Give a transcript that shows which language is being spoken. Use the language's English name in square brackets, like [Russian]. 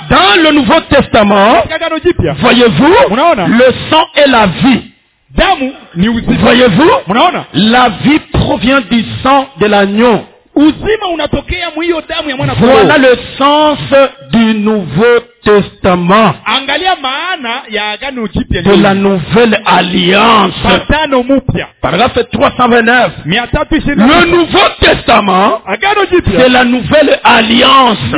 [French] Dans le Nouveau Testament, voyez-vous? [Swahili] Munaona? [French] Le sang est la vie. [Swahili] Damu ni uzima. [French] Voyez-vous? [Swahili] Munaona? [French] La vie provient du sang de l'agneau. [Swahili] Uzima unatokea mwiyo damu ya mwana kondoo. [French] Voilà le sens du Nouveau Testament. [Swahili] Angalia maana ya agano jipya. [French] De la nouvelle alliance. [Swahili] Patano mupya. [French] Paragraphe 329. 329. Le Nouveau Testament. [Swahili] Agano jipya. [French] C'est la nouvelle alliance.